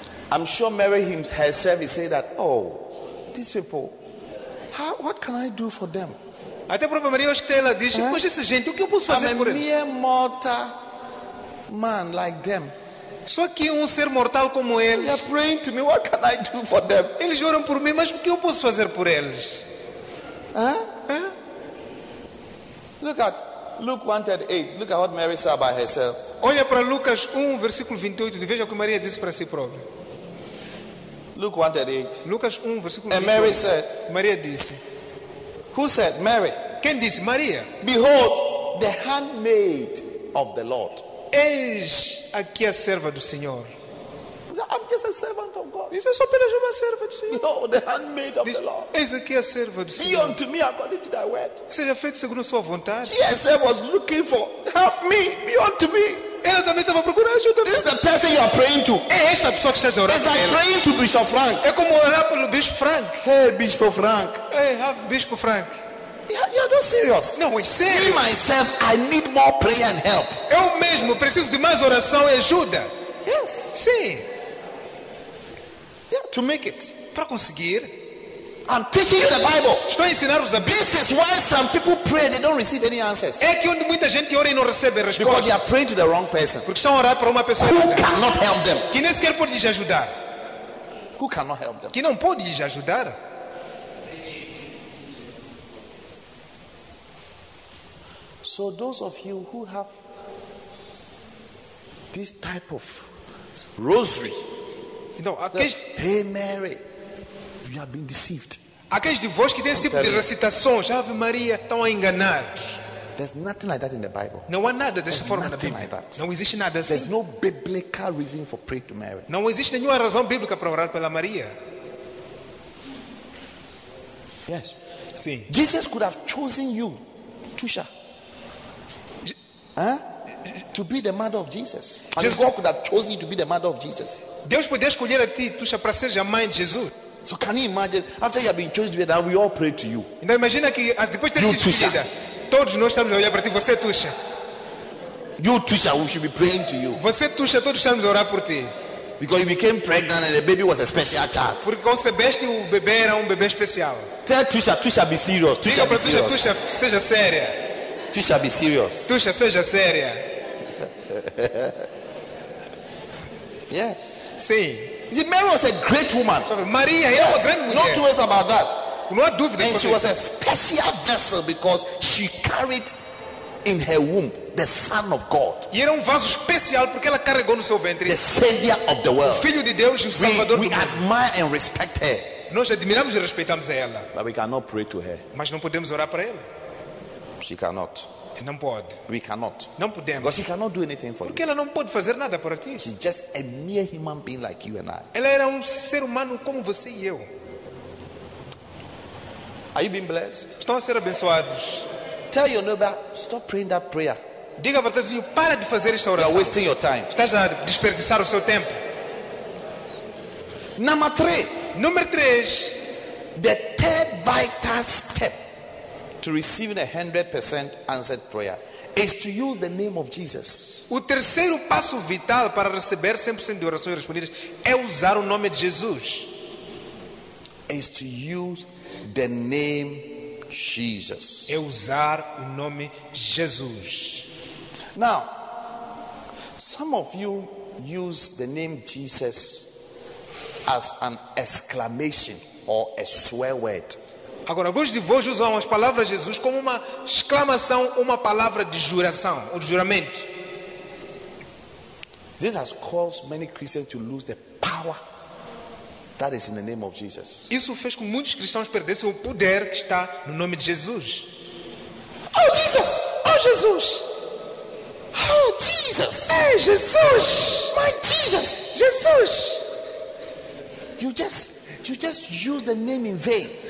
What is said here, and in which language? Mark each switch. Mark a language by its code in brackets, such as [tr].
[en] I'm sure Mary herself is saying that, oh, these people, how, what can I do for them? [pt] Até a própria Maria Estela diz, pois essa gente, o que eu posso fazer por eles? [en] I'm a mere mortal man like them. [pt] Só que ser mortal como eles. [en] They are praying to me. What can I do for them? [pt] Eles oram por mim, mas o que eu posso fazer por eles? [en] Look at Luke 1:38. Look at what Mary said by herself. [pt] Olha para Lucas 1, versículo 28, e veja o que Maria disse para si própria. [en] Luke 1:38. [pt] Lucas 1, versículo [en] 28. And Mary said. [pt] Maria disse. [en] Who said? Mary. [pt] Quem disse? Maria. [en] Behold, the handmaid of the Lord. [pt] Eis aqui a serva do Senhor. [en] just a servant of God. [pt] Isso é só apenas uma serva do Senhor. [en] No, the handmaid of the Lord. [pt] Eis aqui a serva do Senhor. [en] Be unto me according to thy word. [pt] Seja feito segundo sua vontade. [en] Jesus was looking for help me. Be unto me. [pt] Ele também estava procurando ajuda. [en] This is the person you are praying to. [pt] É esta pessoa que estás orando. [en] It's like praying to Bishop Frank. [pt] É como orar pelo Bispo Frank. [en] Hey, Bishop Frank. Hey, have Bishop Frank. You're not serious. No, we say. Me myself, I need more prayer and help. [pt] Eu mesmo preciso de mais oração e ajuda. [en] Yes. [pt] Sim. [en] Yeah, to make it. [pt] Para conseguir. [en] I'm teaching you the Bible. [pt] Estou ensinando-vos a Bíblia. [en] This is why some people pray and they don't receive any answers. [pt] É que muita gente ora e não recebe resposta. [en] Because they are praying to the wrong person. [pt] Porque estão a orar para uma pessoa [en] who cannot help them. [pt] Que nem sequer pode lhes ajudar. [en] Who cannot help them. [pt] Que não pode lhes ajudar. [en] So those of you who have this type of rosary, [pt] então, aqueles, [en] that, hey Mary, you have been deceived. [pt] Aqueles de vós que têm esse tipo de recitações, Ave Maria, estão a enganar. [en] There's nothing like that in the Bible. [pt] Não há nada dessa forma na Bíblia. [en] Like that. [pt] Não existe nada assim. [en] There's no biblical reason for praying to Mary. [pt] Não existe nenhuma razão bíblica para orar pela Maria. [en] Yes. [pt] Sim. [en] Jesus could have chosen you, Tusha. Huh? To be the mother of Jesus. And Jesus, God could have chosen you to be the mother of Jesus. [pt] Deus podia escolher a ti, Tusha, para ser a mãe de Jesus. [en] So can you imagine, after you have been chosen to be that, we all pray to you. [pt] Então imagina que as depois de ter sido escolhida, todos nós estamos a olhar para ti, você, Tusha. [en] You, Tusha, we should be praying to you. [pt] Você, Tusha, todos estamos a orar por ti. [en] Because you became pregnant and the baby was a special child. [pt] Porque concebeste o bebê era bebê especial. [en] Tell Tusha, Tusha, be serious. Tusha, [pt] diga para Tusha, Tusha, seja séria. [en] Tusha, be serious. [pt] Tusha, seja séria. [en] Yes. [pt] Sim. [en] You see, Mary was a great woman. [pt] Maria, [en] yes. [pt] Era uma grande mulher. [en] Not to us about that. [pt] Não há dúvida. [en] And she was a special vessel because she carried in her womb the Son of God. [pt] E era vaso especial porque ela carregou no seu ventre. [en] The Savior of the world. [pt] O Filho de Deus, o Salvador. [en] We admire and respect her. [pt] Nós admiramos e respeitamos a ela. [en] But we cannot pray to her. [pt] Mas não podemos orar para ela. [en] She cannot. [pt] Não pode. [en] We cannot. [pt] Não podemos. [en] Because she cannot do anything for [pt] porque [en] you. [pt] Porque ela não pode fazer nada para ti. [en] She's just a mere human being like you and I. [pt] Ela era ser humano como você e eu. [en] Are you being blessed? [pt] Estão a ser abençoados. [en] Tell your neighbor, stop praying that prayer. [pt] Diga para o teu vizinho, para de fazer esta oração. [en] You are wasting your time. [pt] Estás a desperdiçar o seu tempo. [en] Number three. [pt] Número 3. [en] The third vital step to receiving 100% answered prayer is to use the name of Jesus. [pt] O terceiro passo vital para receber 100% de orações respondidas é usar o nome de Jesus. [en] Is to use the name Jesus. [pt] É usar o nome Jesus. [en] Now, some of you use the name Jesus as an exclamation or a swear word. [pt] Agora, alguns de vós usam as palavras Jesus como uma exclamação, uma palavra de juração, ou de juramento. [en] This has caused many Christians to lose the power that is in the name of Jesus. [pt] Isso fez com que muitos cristãos perdessem o poder que está no nome de Jesus. [en] Oh Jesus! Oh Jesus! Oh Jesus! Hey, Jesus! My Jesus! Jesus! You just use the name in vain.